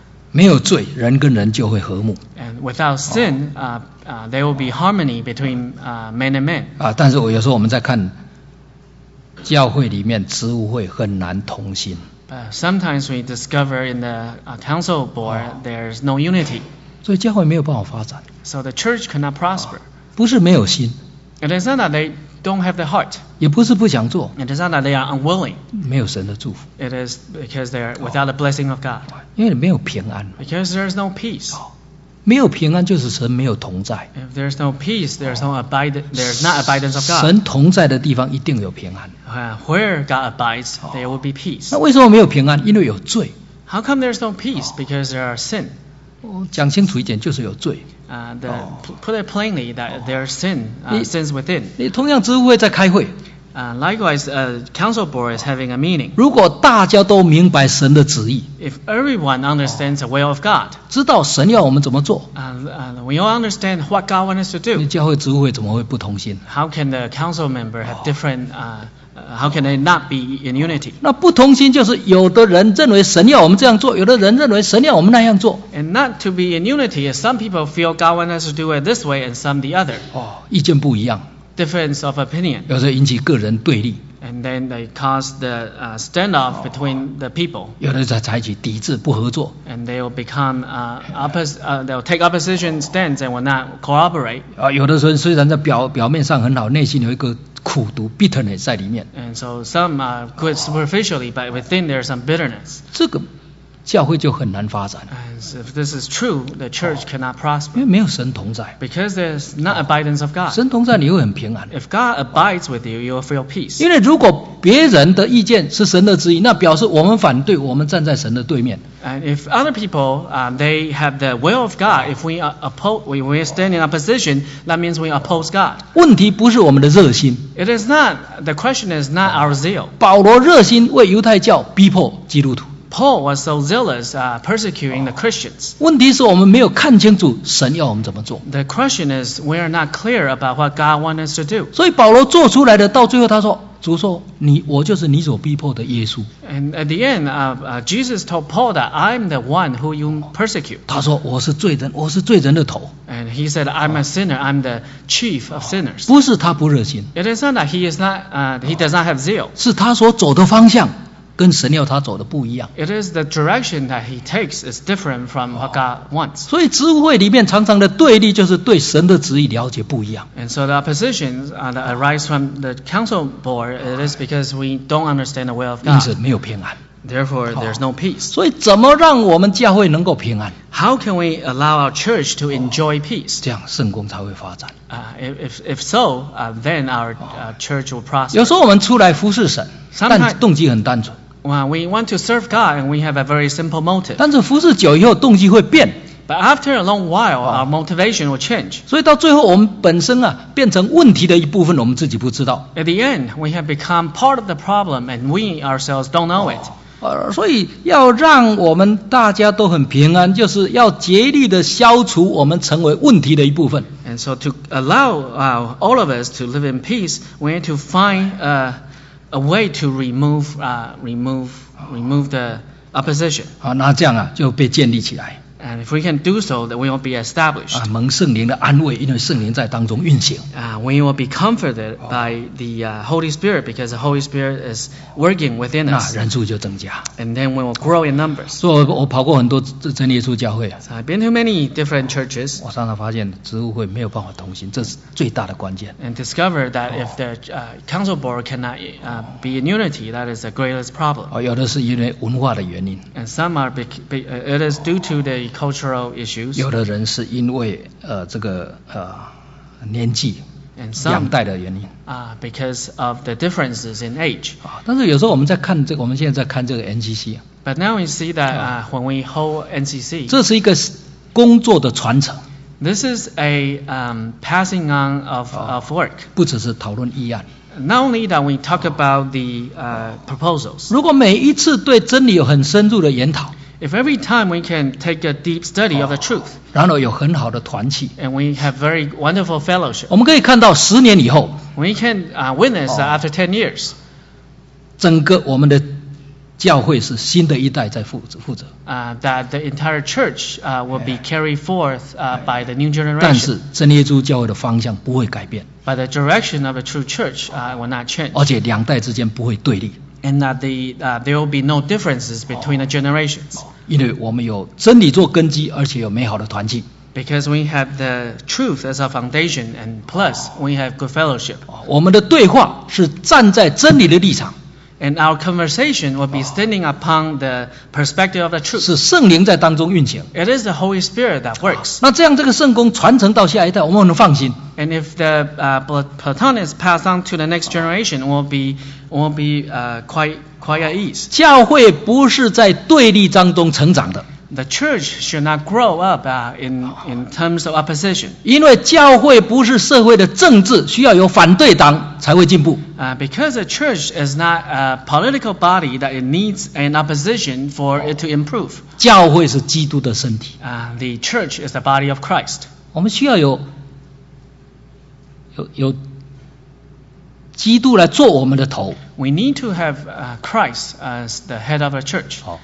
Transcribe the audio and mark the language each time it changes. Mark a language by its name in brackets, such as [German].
[Chinese] 没有罪，人跟人就会和睦。 [English] And without sin, there will be harmony between man and man. [Chinese] 但是我有时候我们在看教会里面职务会很难同心。 [English] Sometimes we discover in the council board there's no unity. [Chinese] 所以教会没有办法发展。 [English] So the church cannot prosper. [Chinese] 不是没有心。 [English] It is not that they don't have the heart. [Chinese] 也不是不想做。 [English] It is not that they are unwilling. [Chinese] 没有神的祝福。 [English] It is because they are without the blessing of God. [Chinese] 因为没有平安。 [English] Because there is no peace. [Chinese] 没有平安就是神没有同在。 [English] If there is no peace, there is no there is not abidance of God. [Chinese] 神同在的地方一定有平安。 [English] Where God abides, there will be peace. [Chinese] 那为什么没有平安？因为有罪。 [English] How come there is no peace? Because there are sin. [Chinese] 讲清楚一点，就是有罪。 [English] Put it plainly that there are sin, sins within. [Chinese] 你同样职务会在开会。 [English] Likewise, a council board is having a meeting. [Chinese] 如果大家都明白神的旨意 [English] ，If everyone understands the will of God， [Chinese] 知道神要我们怎么做 [English] ，We all understand what God wants us to do。 [Chinese] 教会职务会怎么会不同心 [English] ？How can the council member have different how can they not be in unity？ [Chinese] 那不同心就是有的人认为神要我们这样做，有的人认为神要我们那样做。 [English] And not to be in unity is some people feel God wants us to do it this way and some the other。 [Chinese] 意见不一样。 [English] Difference of opinion. [Chinese] 有时候引起个人对立。 [English] And then they cause the standoff between the people. [Chinese] 有的在采取抵制不合作。 [English] And they will become they'll take opposition stands and will not cooperate. [Chinese] 有的时候虽然在表面上很好，内心有一个苦毒 bitterness 在里面。 [English] And so some are good superficially, but within there is some bitterness. [Chinese] 这个教会就很难发展了。 [English] And so if this is true, the church cannot prosper. [Chinese] 因为没有神同在。 [English] Because there's not abidance of God. [Chinese] 神同在，你会很平安。 [English] If God abides with you, you will feel peace. [Chinese] 因为如果别人的意见是神的旨意，那表示我们反对，我们站在神的对面。 [English] And if other people, they have the will of God, if we oppose, we will stand in opposition. That means we oppose God. [Chinese] 问题不是我们的热心。 [English] It is not. The question is not our zeal. [Chinese] 保罗热心为犹太教逼迫基督徒。 [English] Paul was so zealous persecuting the Christians. [Chinese] 问题是我们没有看清楚神要我们怎么做。 [English] The question is we are not clear about what God wants us to do. [Chinese] 所以保罗做出来的到最后他说主说你我就是你所逼迫的耶稣。 [English] And at the end, Jesus told Paul that I'm the one who you persecute. [Chinese] 他说我是罪人，我是罪人的头。 [English] And he said I'm a sinner, I'm the chief of sinners. [Chinese] 不是他不热心。 [English] It is not that he does not have zeal. [Chinese] 是他所走的方向。跟神要他走的不一样。 [English] It is the direction that he takes is different from what God wants. [Chinese] 所以执会里面常常的对立就是对神的旨意了解不一样。 [English] And so the opposition that arises from the council board, it is because we don't understand the will of God. [Chinese] 因此没有平安。 [English] Therefore, there's no peace. [Chinese] 所以怎么让我们教会能够平安？ [English] How can we allow our church to enjoy peace? [Chinese] 这样圣工才会发展。 [English] Then our church will prosper. [Chinese] 有时候我们出来服侍神，但动机很单纯。 [English] Well, we want to serve God, and we have a very simple motive. [Chinese] 但是服侍久以后，动机会变。 [English] But after a long while, our motivation will change. [Chinese] 所以到最后，我们本身啊，变成问题的一部分，我们自己不知道。 [English] At the end, we have become part of the problem, and we ourselves don't know it. [Chinese] 所以要让我们大家都很平安，就是要竭力的消除我们成为问题的一部分。 [English] And so to allow all of us to live in peace, we need to find a way to remove the opposition. [Chinese] 好，那这样啊，就被建立起来。 [English] And if we can do so, then we will be established. [Chinese] 蒙圣灵的安慰，因为圣灵在当中运行。 [English] We will be comforted by the Holy Spirit because the Holy Spirit is working within us. [Chinese] 那人数就增加。 [English] And then we will grow in numbers. [Chinese] 所以我跑过很多真耶稣教会。 [English] So I've been to many different churches. [Chinese] 我常常发现执务会没有办法同行，这是最大的关键。 [English] And discover that if the council board cannot be in unity, that is the greatest problem. [Chinese] 有的是因为文化的原因。 [English] And some are it is due to the cultural issues. [Chinese] 有的人是因为这个年纪 [English] and some, [Chinese] 两代的原因 [English] because of the differences in age. [Chinese] 但是有时候我们在看这个，我们现在在看这个 NCC. [English] But now we see that when we hold NCC, [Chinese] 这是一个工作的传承。 [English] This is a passing on of work. [Chinese] 不只是讨论议案。 [English] Not only that we talk about the proposals. [Chinese] 如果每一次对真理有很深入的研讨。 [English] If every time we can take a deep study of the truth, [Chinese] 然后有很好的团契 [English] and we have very wonderful fellowship, [Chinese] 我们可以看到十年以后 [English] we can witness after 10 years, [Chinese] 整个我们的教会是新的一代在负责 [English] that the entire church will be carried forth by the new generation. [Chinese] 但是真耶稣教会的方向不会改变 [English] but the direction of the true church will not change. [Chinese] 而且两代之间不会对立。 [English] And that there will be no differences between the generations. [Chinese] 因为我们有真理做根基，而且有美好的团契。 [English] Because we have the truth as our foundation, and plus we have good fellowship. [Chinese] 我们的对话是站在真理的立场。 [English] And our conversation will be standing upon the perspective of the truth. [Chinese] 是圣灵在当中运行。 [English] It is the Holy Spirit that works. [Chinese] 那这样这个圣工传承到下一代，我们能放心。 [English] And if the baton is passed on to the next generation, will be quite at ease. [Chinese] 教会不是在对立当中成长的。 [English] The church should not grow up in terms of opposition. [Chinese] 因为教会不是社会的政治，需要有反对党才会进步。 [English] Because the church is not a political body that it needs an opposition for it to improve. [Chinese] 教会是基督的身体。 [English] The church is the body of Christ. [Chinese] 我们需要有基督来做我们的头。 [English] We need to have Christ as the head of the church.